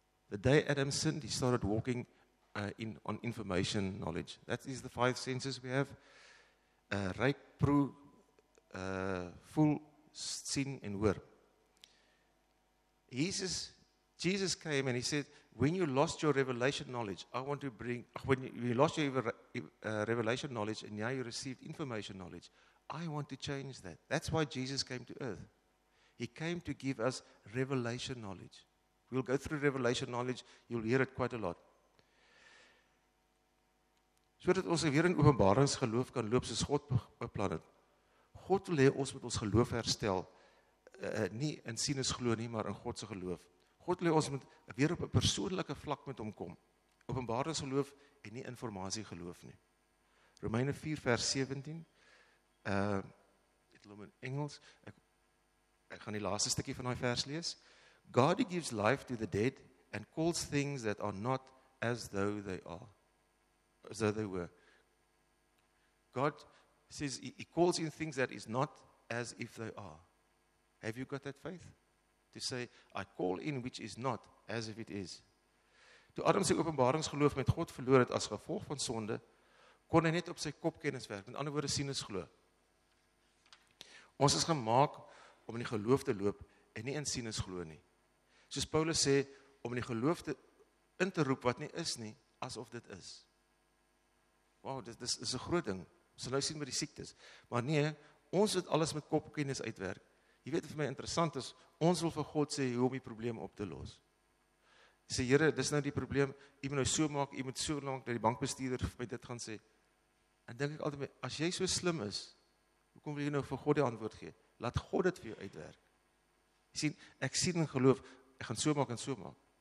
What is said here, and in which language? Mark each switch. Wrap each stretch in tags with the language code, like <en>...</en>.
<en>The day Adam sinned, he started walking on information knowledge. That is the five senses we have.</en> <af>Ruik, proe, voel, sien en hoor.</af> <en>Jesus came and he said, when you lost your revelation knowledge, I want to bring, when you lost your revelation knowledge and now you received information knowledge, I want to change that. That's why Jesus came to earth. He came to give us revelation knowledge. We'll go through revelation knowledge, you'll hear it quite a lot.</en> <af>So dat ons weer in openbaringsgeloof kan loop soos God beplan het. God wil hê ons moet ons geloof herstel, nie in sinus glo nie, maar in God se geloof. God wil ons met weer op 'n persoonlike vlak met hom kom. Openbaringsgeloof en nie informasie geloof nie. Romeine 4 vers 17. Dit lê in Engels. Ek gaan die laaste stukkie van daai vers lees.</af> <en>God who gives life to the dead and calls things that are not as though they are as though they were. God says he calls in things that is not as if they are. Have you got that faith? To say, I call in which is not, as if it is.</en> <af>Toe Adam sy openbaringsgeloof met God verloor het as gevolg van sonde, kon hy net op sy kop kennis werk, met ander woorde sinus glo. Ons is gemaak om in die geloof te loop en nie in sinus glo nie. Soos Paulus sê, om in die geloof te in te roep wat nie is nie, asof dit is. Wow, dit is 'n groot ding. Ons sal nou sien met die siektes. Maar nee, ons het alles met kopkennis uitwerk. Jy weet wat vir my interessant is, ons wil vir God sê hoe om die probleem op te los. Sê, Here, dis nou die probleem, jy moet nou so maak, jy moet so lank dat die bankbestuurder vir my dit gaan sê. En dink ek altyd, as jy so slim is, hoekom wil jy nou vir God die antwoord gee? Laat God dit vir jou uitwerk. Jy sien, ek sien in geloof, ek gaan so maak en so maak.</af>